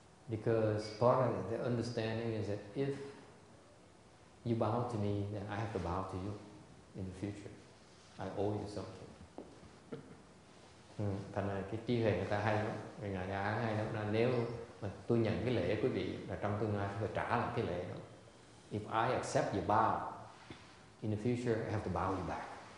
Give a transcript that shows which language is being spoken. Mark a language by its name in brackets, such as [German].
[English] Because part of the understanding is that if you bow to me, then I have to bow to you in the future. I owe you something. [Vietnamese] Thành là cái trí huệ người ta hay lắm. Người nhà giáo hay lắm. Là nếu mà tôi nhận cái lễ quý vị là trong tương lai tôi trả lại cái lễ đó. [English] If I accept your bow, in the future I have to bow you back.